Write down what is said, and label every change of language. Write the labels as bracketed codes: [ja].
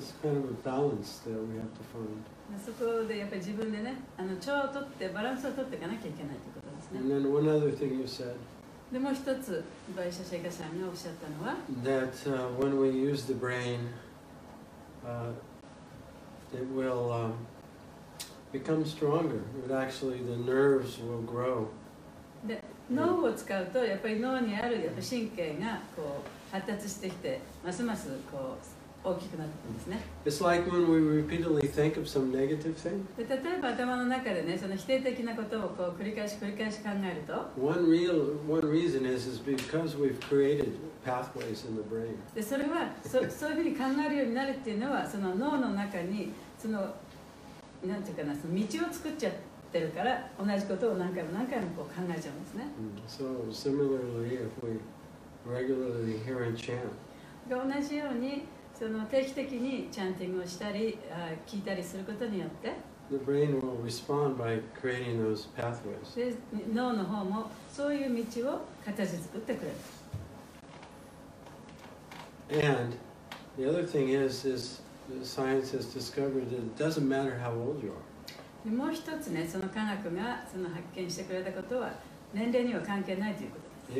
[en] So it's kind of a balance that we have to find. [ja] そこでやっぱり自分でね、調和を取ってバランスを取っていかなきゃいけないということですね。 [en] And then one other thing you said. [ja] でもう一つ、バイシャシェイカさんがおっしゃったのは、 [en] that when we use the brain, it will become stronger. But actually, the nerves will grow. [ja] で、脳を使うとやっぱり脳にあるやっぱ神経がこう発達してきて、ますますこう。大きくなってくるんですね。 [en] It's like when we repeatedly think of some negative thing. [ja] 例えば頭の中でね、その否定的なことをこう繰り返し繰り返し考えると、 [en] One reason is because we've created pathways in the brain. [ja] で、それはそういうふうに考えるようになるっていうのは、その脳の中にそのなんていうかな、その道を作っちゃってるから、同じことを何回も何回もこう考えちゃうんですね。 [en] So similarly, if we regularly hear a chant, [ja] 同じようにその定期的にチャンティングをしたり、聞いたりすることによって、 [en] The brain will respond by creating those pathways. [ja] 脳の方もそういう道を形作ってくれる。 [en] And the other thing is science has discovered that it doesn't matter how old you are. [ja] でもう一つね、その科学がその発見してくれたことは年齢には関係ないということです。